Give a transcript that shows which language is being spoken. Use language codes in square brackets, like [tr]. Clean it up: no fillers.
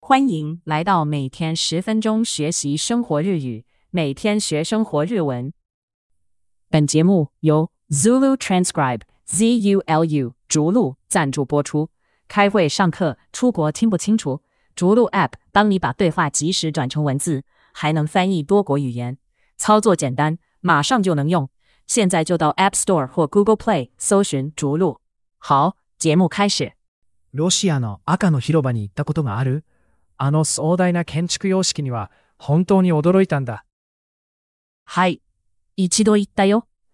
[zh] 欢迎来到每天十分钟学习生活日语，每天学生活日文。本节目由 Zulu Transcribe ZULU 逐鹿赞助播出。开会、上课、出国听不清楚，逐鹿 App 帮你把对话及时转成文字，还能翻译多国语言，操作简单，马上就能用。现在就到 App Store 或 Google Play 搜寻逐鹿。好，节目开始。 [ja] ロシアの赤の広場に行ったことがある?あの壮大な建築様式には本当に驚いたんだ。はい、一度行ったよ。